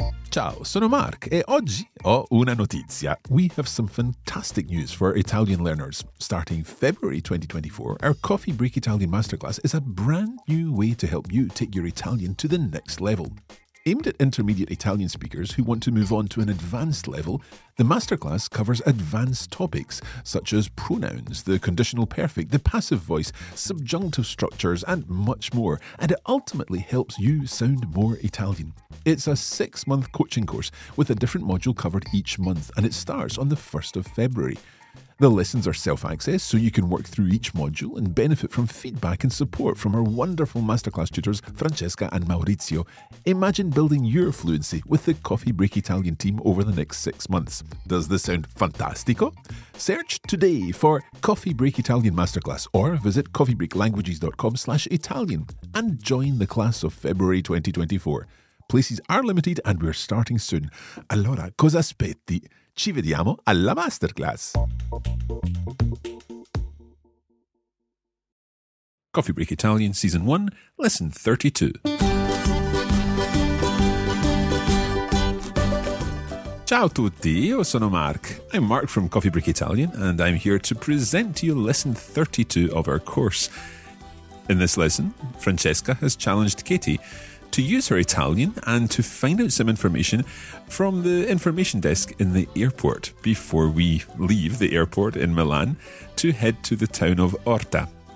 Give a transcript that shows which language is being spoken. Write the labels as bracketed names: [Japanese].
[Italian] Ciao, sono Mark e oggi ho una notizia. [English] We have some fantastic news for Italian learners. Starting February 2024, our Coffee Break Italian Masterclass is a brand new way to help you take your Italian to the next level. Aimed at intermediate Italian speakers who want to move on to an advanced level, the masterclass covers advanced topics such as pronouns, the conditional perfect, the passive voice, subjunctive structures, and much more, and it ultimately helps you sound more Italian. It's a six-month coaching course with a different module covered each month, and it starts on the 1st of February. The lessons are self-access, so you can work through each module and benefit from feedback and support from our wonderful masterclass tutors, Francesca and Maurizio. Imagine building your fluency with the Coffee Break Italian team over the next 6 months. Does this sound fantastico? Search today for Coffee Break Italian Masterclass or visit coffeebreaklanguages.com/Italian and join the class of February 2024. Places are limited and we're starting soon. [Italian] Allora, cosa aspetti? Ci vediamo alla masterclass. [English] Coffee Break Italian Season 1, Lesson 32. [Italian] Ciao a tutti, io sono Mark. [English] I'm Mark from Coffee Break Italian and I'm here to present to you Lesson 32 of our course. In this lesson, Francesca has challenged Katie to use her Italian and to find out some information from the information desk in the airport before we leave the airport in Milan to head to the town of Orta.